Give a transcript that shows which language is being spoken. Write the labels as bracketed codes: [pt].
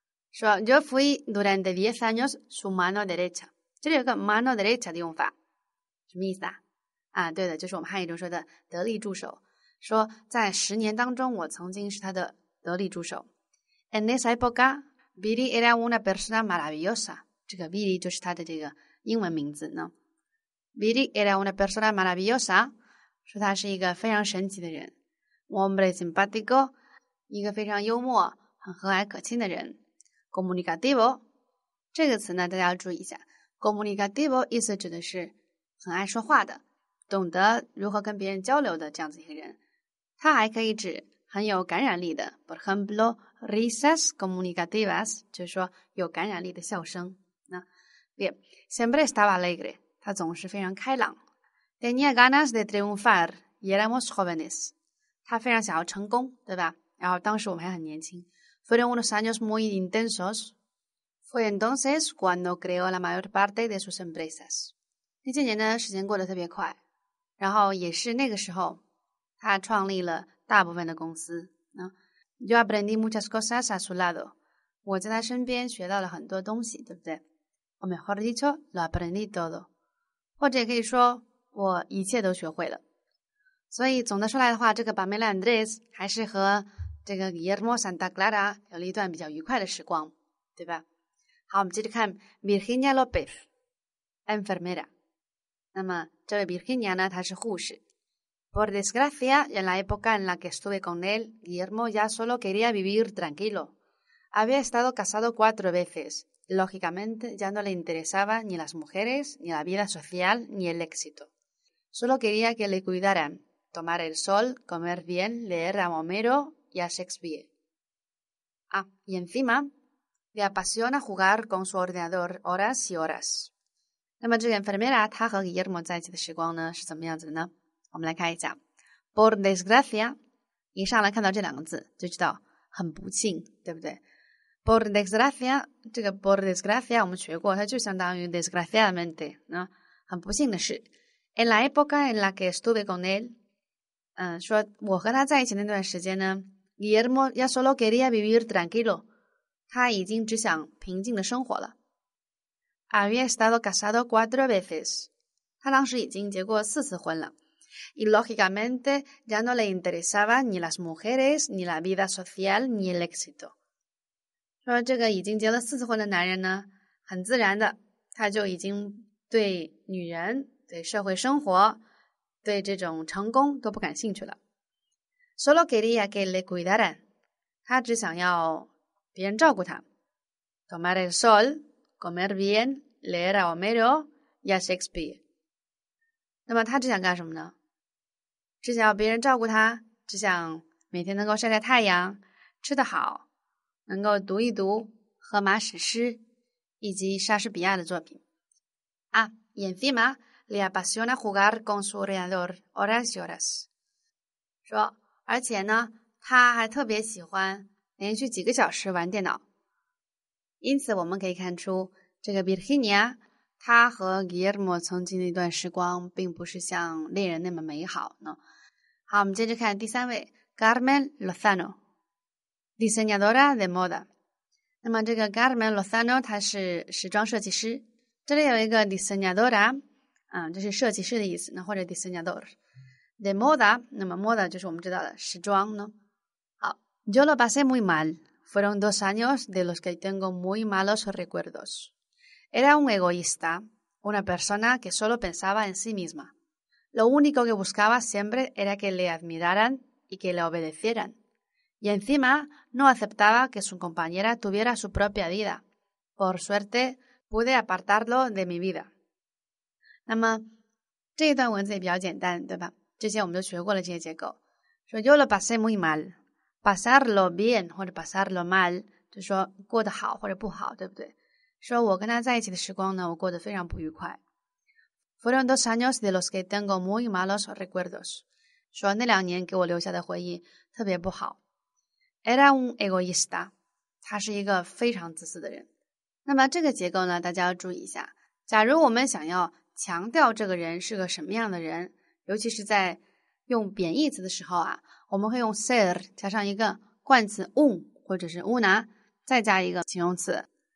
[es] 说 Yo fui durante 10 años su mano derecha. [zh] 这里有个 mano derecha 的用法，什么意思啊？啊，对的，就是我们汉语中说的得力助手。说在十年当中，我曾经是他的得力助手。 [es] En esa época, Billy era una persona maravillosa。 [zh] 这个 Billy 就是他的这个英文名字呢。 [es] Billy era una persona maravillosa， [zh] 说他是一个非常神奇的人。 [es] Un hombre simpático， [zh] 一个非常幽默、很和蔼可亲的人。 [es] Comunicativo， [zh] 这个词呢，大家要注意一下。Comunicativo 意思指的是很爱说话的，懂得如何跟别人交流的这样子一个人。它还可以指很有感染力的 ， [es] por ejemplo risas comunicativas， [zh] 就是说有感染力的笑声。那 [es] bien siempre estaba alegre， [zh] 他总是非常开朗。 [es] Tenía ganas de triunfar y éramos jóvenes， [zh] 他非常想要成功，对吧？然后当时我们还很年轻。 [es] Fueron unos años muy intensos。 Fue entonces cuando creó la mayor parte de sus empresas. [zh] 那些年呢，时间过得特别快，然后也是那个时候，他创立了大部分的公司。 [es] Yo aprendí muchas cosas a su lado. [zh] 我在他身边学到了很多东西，对不对？ [es] O mejor dicho, lo aprendí todo. [zh] 或者也可以说，我一切都学会了。所以总的说来的话，这个 Pamela Andrés 还是和这个 Guillermo Santa Clara 有了一段比较愉快的时光，对吧？好，我们接着看 Virginia López, enfermera. 那么这位 Virginia 呢，她是护士。 [es] Por desgracia, en la época en la que estuve con él, Guillermo ya solo quería vivir tranquilo. Había estado casado 4 veces. Lógicamente, ya no le interesaba ni las mujeres, ni la vida social, ni el éxito. Solo quería que le cuidaran, tomar el sol, comer bien, leer a Homero y a Shakespeare. Ah, y encima, le apasiona jugar con su ordenador horas y horas. [zh] 那么这个 enfermera, 她和 Guillermo 在一起的时光呢，是怎么样子的呢？我们来看一下 ，por desgracia， 一上来看到这两个字就知道很不幸，对不对 ？por desgracia， 这个 por desgracia 我们学过，它就相当于 desgraciadamente， 那很不幸的事。 [es] En la época en la que estuve con él， [zh] 说我和他在一起那段时间呢 [es] ，Guillermo ya solo quería vivir tranquilo， [zh] 他已经只想平静的生活了。 [es] Había estado casado 4 veces， [zh] 他当时已经结过4次婚了。 [es] Y lógicamente ya no le interesaba ni las mujeres, ni la vida social, ni el éxito. [zh] 说这个已经结了4次婚的男人呢，很自然的，他就已经对女人、对社会生活、对这种成功都不感兴趣了。 [es] Solo quería que le cuidaran. [zh] 他只想要别人照顾他。 [es] Tomar el sol, comer bien, leer a Homero y a Shakespeare. [zh] 那么他只想干什么呢？只想要别人照顾他，只想每天能够晒晒太阳，吃得好，能够读一读荷马史诗以及莎士比亚的作品。 [es] 啊 y encima, le apasiona jugar con su ordenador horas y horas. [zh] 说而且呢他还特别喜欢连续几个小时玩电脑。因此我们可以看出这个 Virginia, 他和 Guillermo 曾经的一段时光并不是像恋人那么美好呢。好，我们接着看第三位 Carmen Lozano, diseñadora de moda. 那么这个 Carmen Lozano, 她是时装设计师。这里有一个 diseñadora, 就是设计师的意思，或者 diseñador. De moda, 那么 moda 就是我们知道的时装呢。 [es] 好 ,yo lo pasé muy mal. Fueron 2 años de los que tengo muy malos recuerdos. Era un egoísta, una persona que solo pensaba en sí misma. Lo único que buscaba siempre era que le admiraran y que le obedecieran. Y encima, no aceptaba que su compañera tuviera su propia vida. Por suerte, pude apartarlo de mi vida. [zh] 那么，这一段文字也比较简单，对吧？之前我们都学过了这些结构。 [es] 说 yo lo pasé muy mal. Pasarlo bien 或者 pasarlo mal, [zh] 就说过得好或者不好，对不对？说我跟他在一起的时光呢，我过得非常不愉快。 [es] Fueron 2 años de los que tengo muy malos recuerdos. [zh] 说那两年给我留下的回忆特别不好。 [es] Era un egoísta. [zh] 他是一个非常自私的人。那么这个结构呢，大家要注意一下。假如我们想要强调这个人是个什么样的人，尤其是在用贬义词的时候啊，我们会用 ser 加上一个冠词 un 或者是 una， 再加一个形容词。